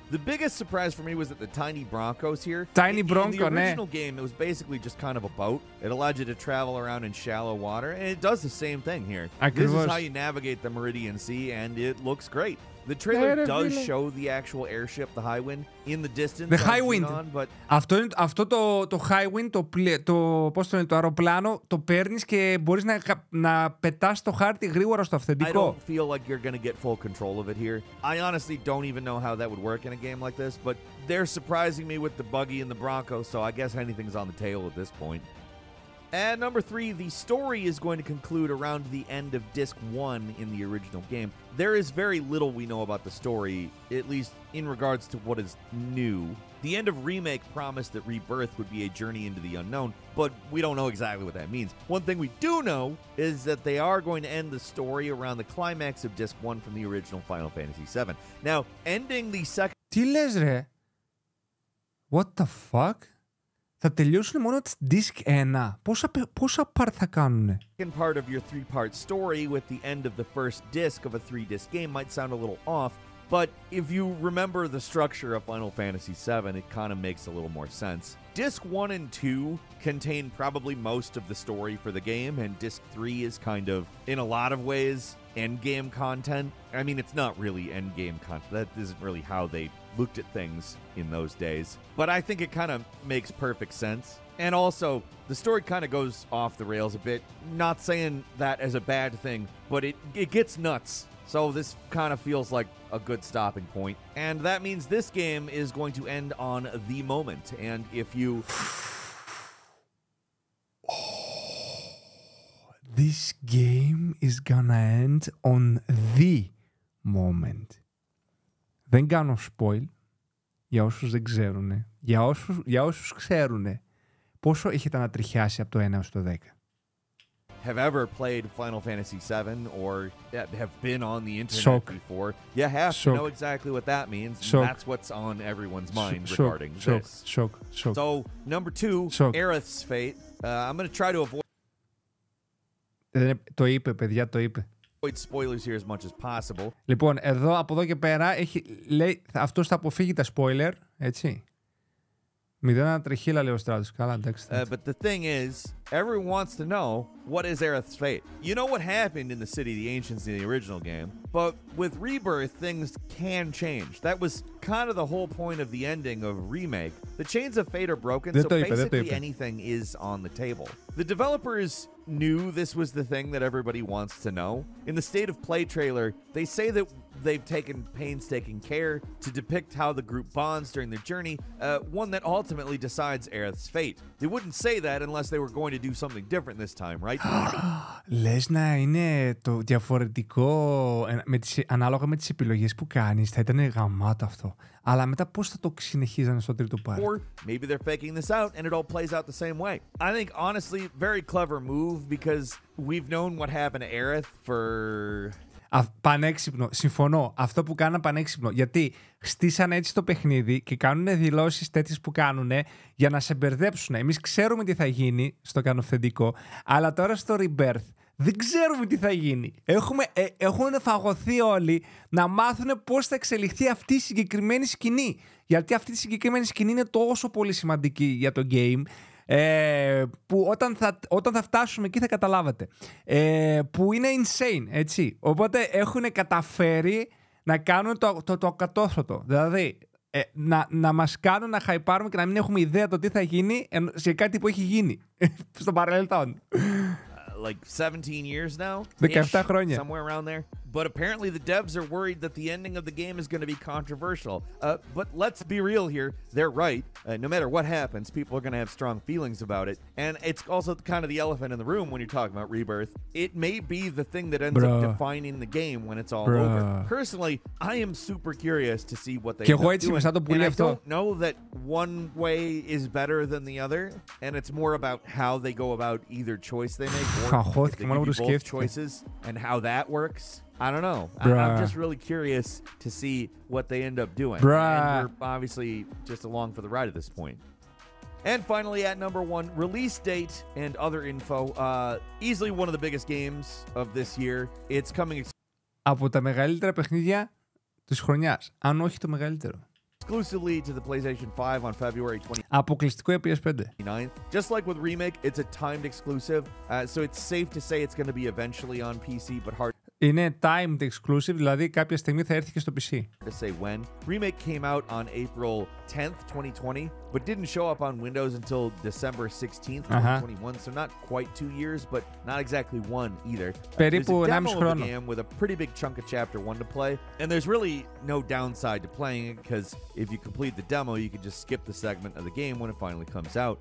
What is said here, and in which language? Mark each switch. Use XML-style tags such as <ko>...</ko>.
<en>The biggest surprise for me was that the tiny Broncos here. In the original game, it was basically just kind of a boat. It allowed you to travel around in shallow water, and it does the same thing here. This is how you navigate the Meridian Sea, and it looks great. The trailer does show the actual airship, the Highwind, in the distance. The Highwind.</en> <el>Αυτό το Highwind, πώς το λένε, το αεροπλάνο, το παίρνεις και μπορείς να πετάς το χάρτη γρήγορα στο αυθεντικό.</el> <en>I don't feel like you're going to get full control of it here. I honestly don't even know how that would work in a game like this, but they're surprising me with the buggy and the Bronco, so I guess anything's on the table at this point. And number three, the story is going to conclude around the end of Disc 1 in the original game. There is very little we know about the story, at least in regards to what is new. The end of Remake promised that Rebirth would be a journey into the unknown, but we don't know exactly what that means. One thing we do know is that they are going to end the story around the climax of Disc 1 from the original Final Fantasy VII. Now, ending the second...</en> <el>Τι λες ρε?</el> <en>What the fuck?</en> <el>Θα τελειώσουν μόνο τις disc 1. Πόσα part θα κάνουνε?</el> <en>Second part of your three-part story with the end of the first disc of a three-disc game might sound a little off, but if you remember the structure of Final Fantasy VII, it kind of makes a little more sense. Disc 1 and 2 contain probably most of the story for the game, and Disc 3 is kind of, in a lot of ways, endgame content. I mean, it's not really endgame content. That isn't really how they looked at things in those days. But I think it kind of makes perfect sense. And also, the story kind of goes off the rails a bit. Not saying that as a bad thing, but it gets nuts. So this kind of feels like a good stopping point. And that means this game is going to end on the moment. And if you... This game is gonna end on the moment.</en> <el>Δεν κάνω spoil για όσους δεν ξέρουνε. Για όσους ξέρουνε, πόσο έχετε ανατριχιάσει από το 1 έως το 10.</el> <en>Have ever played Final Fantasy VII or have been on the internet Shock. Before, you have Shock. To know exactly what that means. And that's what's on everyone's mind regarding Shock. This. Shock. Shock. So, number two, Shock. Aerith's fate. I'm going to try to avoid...</en> <el>Το είπε, παιδιά, το είπε.</el> <en>Avoid spoilers here as much as possible.</en> <el>Λοιπόν, εδώ, από εδώ και πέρα, αυτός θα αποφύγει τα spoiler, έτσι. Μηδένα τριχύλα, λέει ο Στράτος. Καλά, εντάξει.</el> <en>But the thing is, everyone wants to know what is Aerith's fate. You know what happened in the city of the Ancients in the original game, but with Rebirth, things can change. That was kind of the whole point of the ending of Remake. The chains of fate are broken,</en> <el>δεν</el> <en>so</en> <el>είπε,</el> <en>basically anything is on the table. The developers knew this was the thing that everybody wants to know. In the State of Play trailer, they say that they've taken painstaking care to depict how the group bonds during their journey, one that ultimately decides Aerith's fate. They wouldn't say that unless they were going to do something different this time, right?</en> <el>Λες να είναι το διαφορετικό, ανάλογα με τις επιλογές που κάνεις, θα ήταν γαμάτο αυτό. Αλλά μετά πώς θα το συνεχίζανε στο τρίτο part?</el> <en>Or maybe they're faking this out and it all plays out the same way. I think, honestly, very clever move because we've known what happened to Aerith for...</en> <el>Πανέξυπνο, συμφωνώ. Αυτό που κάνανε πανέξυπνο. Γιατί στήσανε έτσι το παιχνίδι και κάνουν δηλώσεις τέτοιες που κάνουν για να σε μπερδέψουν. Εμείς ξέρουμε τι θα γίνει στο κανοφθεντικό, αλλά τώρα στο Rebirth δεν ξέρουμε τι θα γίνει. Έχουν φαγωθεί όλοι να μάθουν πώς θα εξελιχθεί αυτή η συγκεκριμένη σκηνή. Γιατί αυτή η συγκεκριμένη σκηνή είναι τόσο πολύ σημαντική για το game. που όταν θα φτάσουμε εκεί θα καταλάβατε, που είναι insane, έτσι. Οπότε έχουν καταφέρει να κάνουν το ακατόρθωτο. Δηλαδή, να μας κάνουν να χαϊπάρουμε και να μην έχουμε ιδέα το τι θα γίνει σε κάτι που έχει γίνει στο παρελθόν.</el> <en>Like 17 years now.</en> <el>17 χρόνια.</el> <en>Somewhere around there. But apparently the devs are worried that the ending of the game is going to be controversial. But let's be real here. They're right. No matter what happens, people are going to have strong feelings about it. And it's also kind of the elephant in the room when you're talking about Rebirth. It may be the thing that ends up defining the game when it's all over. Personally, I am super curious to see what they end up doing. And I don't know that one way is better than the other. And it's more about how they go about either choice they make or if they give you both choices and how that works. I don't know. I'm just really curious to see what they end up doing. Bruh. And we're obviously just along for the ride at this point. And finally, at number one, release date and other info. Easily one of the biggest games of this year. It's coming.</en> <el>Από τα μεγαλύτερα παιχνίδια της χρονιάς, αν όχι το μεγαλύτερο.</el> <en>Exclusively to the PlayStation 5 on February 20th.</en> <el>Αποκλειστικό για PS5.</el> <en>Just like with Remake, it's a timed exclusive. So it's safe to say it's going to be eventually on PC, but hard.</en> <el>Είναι timed exclusive, δηλαδή κάποια στιγμή θα έρθει και στο PC.</el> <en>To say when. Remake came out on April 10th, 2020, but didn't show up on Windows until December 16th, 2021. Uh-huh. So not quite 2 years, but not exactly one either.</en> <el>Περίπου 1,5 χρόνο.</el> <en>There's a demo of the game with a pretty big chunk of chapter 1 to play. And there's really no downside to playing it, because if you complete the demo, you can just skip the segment of the game when it finally comes out.</en>